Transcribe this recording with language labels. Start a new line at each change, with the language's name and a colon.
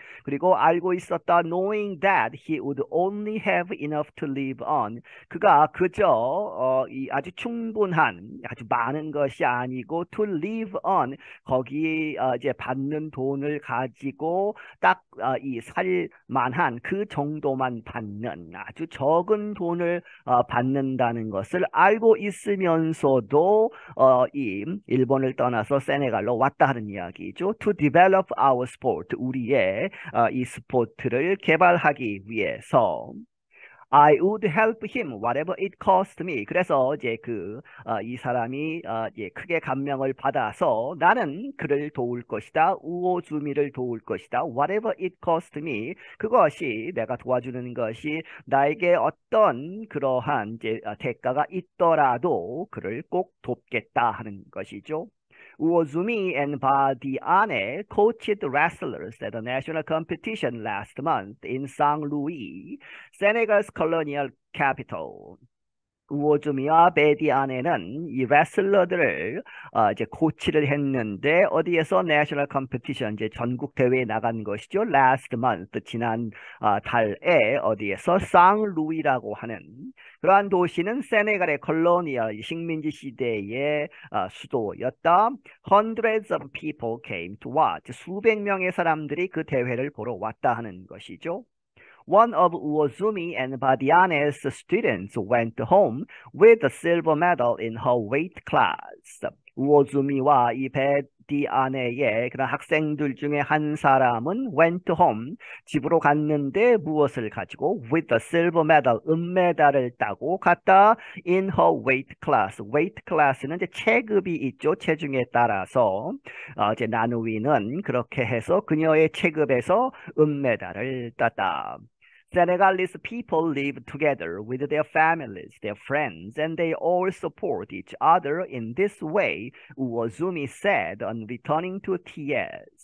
Korean: 그리고 알고 있었다
English: knowing that he would only have enough to live on
Korean: 그가 그저 이 아주 충분한 아주 많은 것이 아니고
English: to live on
Korean: 거기 이제 받는 돈을 가지고 딱이 살만한 그 정도만 받는 아주 적은 돈을 받는다는 것을 알고 있으면서도 이 일본을 떠나서 세네갈로 왔다 하는 이야기죠.
English: To develop our sport
Korean: 우리의 이 스포츠를 개발하기 위해서.
English: I would help him whatever it cost me.
Korean: 그래서 이제 이 사람이 이제 크게 감명을 받아서 나는 그를 도울 것이다. 우오주미를 도울 것이다.
English: Whatever it cost me.
Korean: 그것이 내가 도와주는 것이 나에게 어떤 그러한 이제 대가가 있더라도 그를 꼭 돕겠다 하는 것이죠.
English: 우오주미 and 바디안의 coached wrestlers at the national competition last month in Saint-Louis, Senegal's colonial capital.
Korean: 우오주미와 베디안에는 이 레슬러들을 이제 코치를 했는데 어디에서 내셔널 컴피티션 이제 전국 대회에 나간 것이죠.
English: Last month
Korean: 지난 달에 어디에서 상루이라고 하는 그러한 도시는 세네갈의 컬러니아 식민지 시대의 수도였다.
English: Hundreds of people came to watch.
Korean: 수백 명의 사람들이 그 대회를 보러 왔다 하는 것이죠.
English: One of Uozumi and Badiane's students went home with a silver medal in her weight class.
Korean: 우오주미와 이 베디아네의 그런 학생들 중에 한 사람은
English: went home
Korean: 집으로 갔는데 무엇을 가지고
English: with a silver medal
Korean: 은메달을 따고 갔다
English: in her weight class.
Korean: weight class는 이제 체급이 있죠. 체중에 따라서 이제 나누이는 그렇게 해서 그녀의 체급에서 은메달을 땄다.
English: Senegalese people live together with their families, their friends, and they all support each other in this way, Uozumi said on returning to TS.